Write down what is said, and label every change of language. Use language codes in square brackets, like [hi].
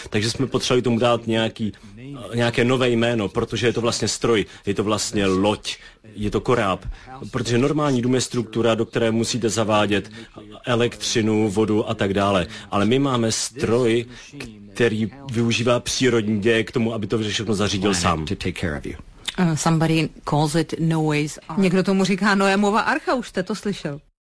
[cs] Takže jsme potřebovali tomu dát nějaké nové jméno, protože je to vlastně stroj, je to vlastně loď, je to koráb. Protože normální dům je struktura, do které musíte zavádět elektřinu, vodu a tak dále. Ale my máme stroj, který využívá přírodní děje k tomu, aby to všechno zařídil sám. [en] Somebody calls it Noé's Ark. [cs] Někdo tomu říká Noémova archa, už jste to slyšel.